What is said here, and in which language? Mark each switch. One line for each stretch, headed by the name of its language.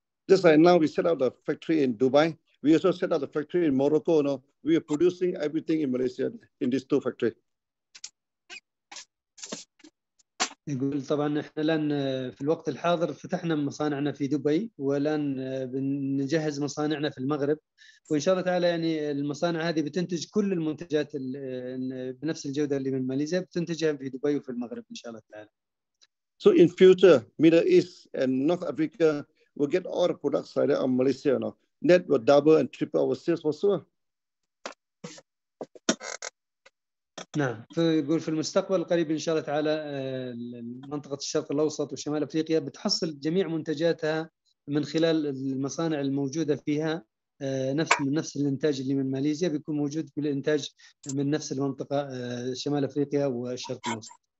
English: Just like now we set up the factory in Dubai. We also set up the factory in Morocco. No, we are producing everything in Malaysia in these two factories.
Arabic: يقول طبعا احنا الان في الوقت الحاضر فتحنا مصانعنا في دبي والان بنجهز مصانعنا في المغرب وان شاء الله تعالى يعني المصانع هذه بتنتج كل المنتجات بنفس الجوده اللي من ماليزيا بتنتجها في دبي وفي المغرب ان شاء الله تعالى.
English: So in future Middle East and North Africa will get all the products right out of Malaysia now. That will double and triple our sales for sure.
Arabic: نعم فيقول في المستقبل القريب ان شاء الله تعالى منطقه الشرق الاوسط وشمال افريقيا بتحصل جميع منتجاتها من خلال المصانع الموجوده فيها نفس الانتاج اللي من ماليزيا بيكون موجود بالانتاج من نفس المنطقه شمال افريقيا والشرق الاوسط.